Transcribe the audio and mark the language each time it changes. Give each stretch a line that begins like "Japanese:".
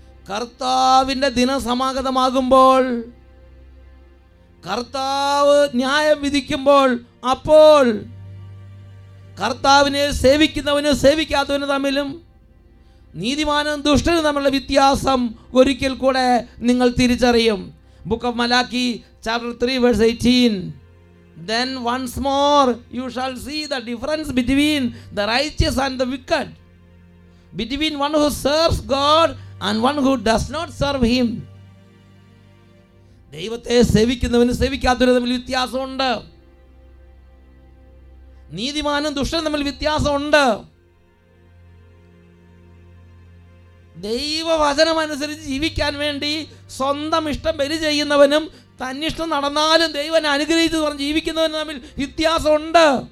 Malayalam: കർത്താവിൻ്റെ ദിനസമാഗതമാകുമ്പോൾ, കർത്താവ് ന്യായം വിധിക്കുമ്പോൾ, അപ്പോൾ കർത്താവിനെ സേവിക്കുന്നവനും സേവിക്കാത്തവനും തമ്മിലും നീതിമാനും ദുഷ്ടനും തമ്മിലുള്ള വ്യത്യാസം ഒരിക്കൽ കൂടെ നിങ്ങൾ തിരിച്ചറിയും.
English: Book of Malachi chapter 3:18, Then once more you shall see the difference between the righteous and the wicked, between one who serves God and one who does not serve him.
Malayalam: ദൈവത്തെ സേവിക്കുന്നവനും സേവിക്കാത്തവനും തമ്മിൽ വ്യത്യാസമുണ്ട്. നീതിമാനും ദുഷ്ടനും തമ്മിൽ വ്യത്യാസമുണ്ട്. ദൈവവചനമനുസരിച്ച് ജീവിക്കാൻ വേണ്ടി സ്വന്തം ഇഷ്ടം ബലി ചെയ്യുന്നവനും തന്നിഷ്ടം നടന്നാലും ദൈവം അനുഗ്രഹിച്ചു പറഞ്ഞ് ജീവിക്കുന്നവനും തമ്മിൽ വ്യത്യാസമുണ്ട്.